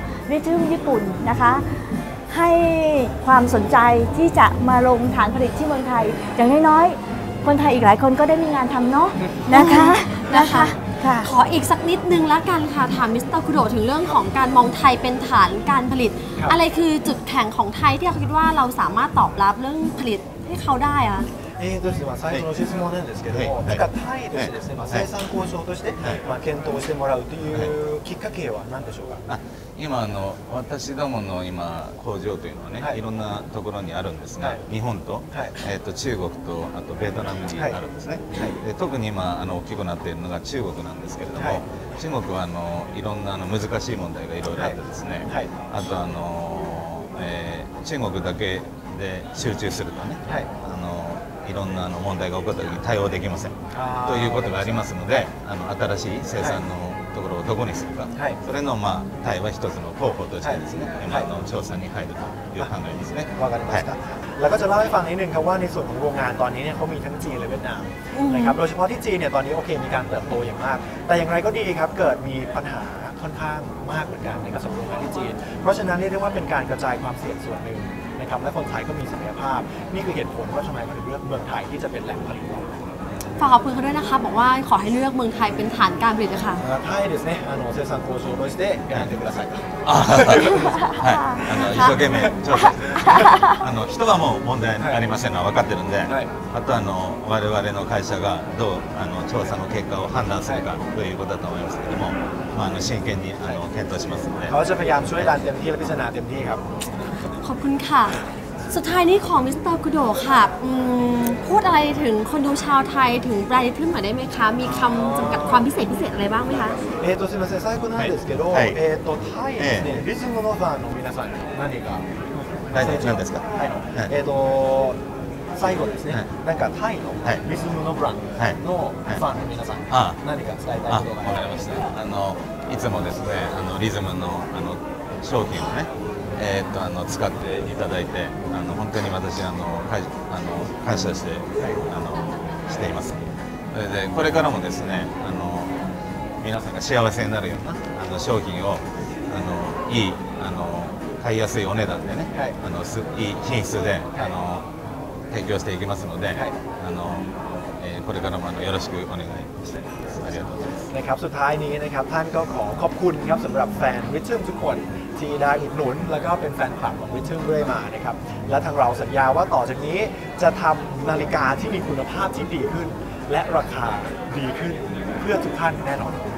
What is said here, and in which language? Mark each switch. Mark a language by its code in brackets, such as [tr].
[th] ริทึมญี่ปุ่นนะคะให้ความสนใจที่จะมาลงฐานผลิตที่เมืองไทยอย่างน้อยๆคนไทยอีกหลายคนก็ได้มีงานทำเนาะนะคะ นะคะขออีกสักนิดนึงละกันค่ะถามมิสเตอร์คุโดะถึงเรื่องของการมองไทยเป็นฐานการผลิตอะไรคือจุดแข็งของไทยที่เราคิดว่าเราสามารถตอบรับเรื่องผลิตให้เขาได้อะ [ja] ですね、最初の質問なんですけども、はい、なんかタイ で, です、ねはい、生産交渉として、はいまあ、検討してもらうというきっかけは何でしょうか、はい今あの私どもの今工場というのはね、はい、いろんなところにあるんですが、はい、日本と、はい中国とあとベトナムにあるんですね、はい、で特に今あの大きくなっているのが中国なんですけれども、はい、中国はあのいろんなあの難しい問題がいろいろあってですね、はい、あとあの、中国だけで集中するとね、はい、あのいろんなあの問題が起こった時に対応できませんということがありますのであの新しい生産の、はいところをどこにするか、はい、それのまあ対話一つの候補としてですね、はい、今の調査に入るという考えですね。わかりました。 [th] はい、แล้วก็จะเล่าให้ฟังนิดนึงครับว่าในส่วนของโรงงานตอนนี้เนี่ยเขามีทั้งจีนและเวียดนามนะครับโดยเฉพาะที่จีนเนี่ยตอนนี้โอเคมีการเติบโตอย่างมากแต่อย่างไรก็ดีครับเกิดมีปัญหาค่อนข้างมากเหมือนกันในการส่งโรงงานที่จีนเพราะฉะนั้นเรียกว่าเป็นการกระจายความเสี่ยงส่วนหนึ่งนะครับและคนไทยก็มีศักยภาพนี่คือเหตุผลว่าทำไมเขาถึงเลือกเมืองไทยที่จะเป็นแหล่งผลิต ฝากขอบคุณเขาด้วยนะคะบอกว่าขอให้เลือกเมืองไทยเป็นฐานการผลิตนะคะ [ja] ใช่ですねあの生産交渉としてやってくださいと。はい。あの一生懸命調査。あの人はもう問題ありませんのは分かってるんで、あとあの我々の会社がどうあの調査の結果を判断するかということだと思いますけども、まああの真剣にあの検討しますので。 [th] เขาจะพยายามช่วยดันเต็มที่และพิจารณาเต็มที่ครับ。 ขอบคุณค่ะสุดท้ายนี้ของมิสเตอร์คุโดะค่ะพูดอะไรถึงคนดูชาวไทยถึงไบรท์ขึ้นมาได้ไหมคะมีคำจำกัดความพิเศษพิเศษอะไรบ้างไหมคะ [ja] すみません最後なんですけど、はい、タイですね、リズムのファンの皆さん何か、はい、何ですか、はい、最後ですね、はい、なんかタイのリズムのブランドのファンの皆さん、はい、何か伝えたいことがありますか、ね、いつもですねあのリズムの、 あの商品をねあの使っていただいてあの本当に私あの感謝して、はい、あのしています。それでこれからもですねあの皆さんが幸せになるようなあの商品をあのいいあの買いやすいお値段でね、はい、あのいい品質で、はい、あの提供していきますので、はいあのこれからもあのよろしくお願いします。ありがとうございます。 [th] ねครับสุดท้ายนี้นะครับท่านก็ขอบคุณครับสำหรับแฟนRhythmทุกคนที่ได้อุดหนุนแล้วก็เป็นแฟนคลับของRhythmด้วยมานะครับและทางเราสัญญาว่าต่อจากนี้จะทำนาฬิกาที่มีคุณภาพที่ดีขึ้นและราคาดีขึ้นเพื่อทุกท่านแน่นอน